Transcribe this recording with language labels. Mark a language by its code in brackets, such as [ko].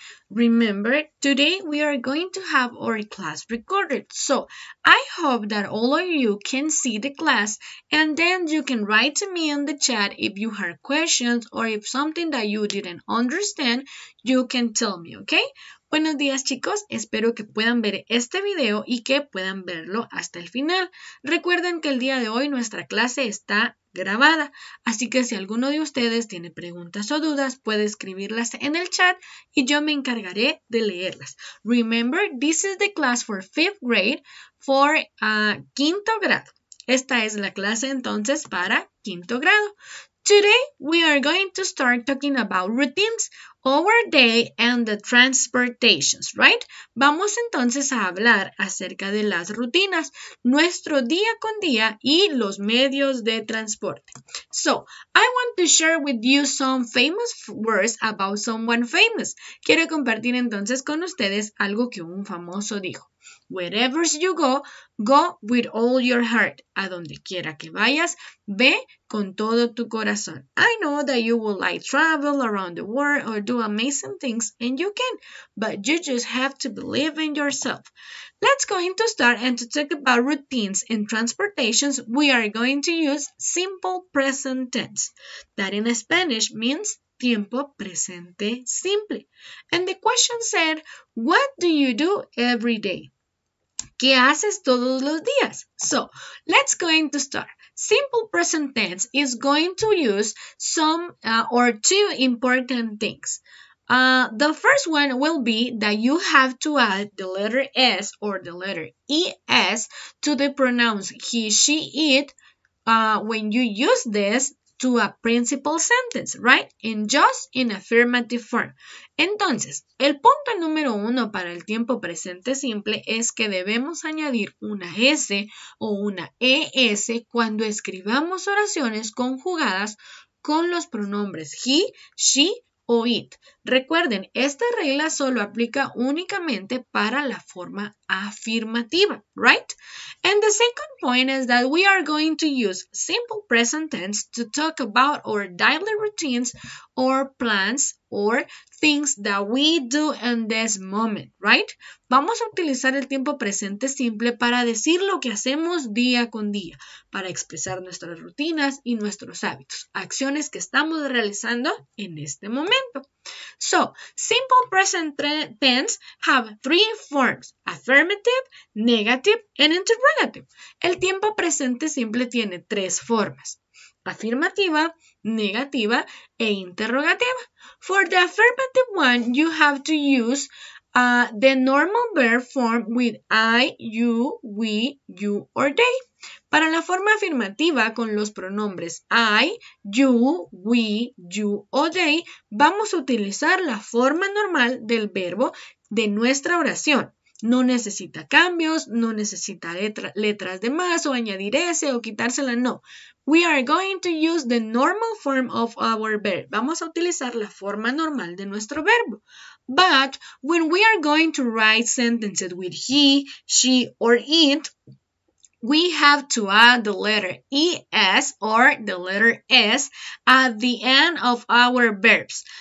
[en] Remember, today we are going to have our class recorded, so I hope that all of you can see the class and then you can write to me in the chat if you have questions or if something that you didn't understand, you can tell me, okay? [es] Buenos días chicos, espero que puedan ver este video y que puedan verlo hasta el final. Recuerden que el día de hoy nuestra clase está grabada, así que si alguno de ustedes tiene preguntas o dudas, puede escribirlas en el chat y yo me encargaré de leerlas. [en] Remember, this is the class for fifth grade, for [es] quinto grado. Esta es la clase entonces para quinto grado. [en] Today, we are going to start talking about routines, our day, and the transportations, right? [es] Vamos entonces a hablar acerca de las rutinas, nuestro día con día y los medios de transporte. [en] So, I want to share with you some famous words about someone famous. [es] Quiero compartir entonces con ustedes algo que un famoso dijo. [en] Wherever you go, go with all your heart. [es] A donde quiera que vayas, ve con todo tu corazón. [en] I know that you will like travel around the world or do amazing things, and you can, but you just have to believe in yourself. Let's go into start and to talk about routines and transportations, we are going to use simple present tense. That in Spanish means [es] tiempo presente simple. [en] And the question said, what do you do every day? [es] ¿Qué haces todos los días? [en] So, let's go into start. Simple present tense is going to use some or two important things. The first one will be that you have to add the letter S or the letter ES to the pronouns he, she, it when you use this to a principal sentence, right? And just in affirmative form. [es] Entonces, el punto número uno para el tiempo presente simple es que debemos añadir una S o una ES cuando escribamos oraciones conjugadas con los pronombres he, she o it. Recuerden, esta regla solo aplica únicamente para la forma afirmativa, right? [en] And the second point is that we are going to use simple present tense to talk about our daily routines or plans or things that we do in this moment, right? [es] Vamos a utilizar el tiempo presente simple para decir lo que hacemos día con día, para expresar nuestras rutinas y nuestros hábitos, acciones que estamos realizando en este momento. [en] So, simple present tense have three forms, affirmative, negative, and interrogative. [es] El tiempo presente simple tiene tres formas, afirmativa, negativa, e interrogativa. [en] For the affirmative one, you have to use the normal verb form with I, you, we, you, or they. [es] Para la forma afirmativa con los pronombres I, you, we, you, o they, vamos a utilizar la forma normal del verbo de nuestra oración. No necesita cambios, no necesita letras de más o añadir S o quitársela, no. [en] We are going to use the normal form of our verb. [es] Vamos a utilizar la forma normal de nuestro verbo. [en] But when we are going to write sentences with he, she, or it, we have to add the letter ES or the letter S at the end of our verbs.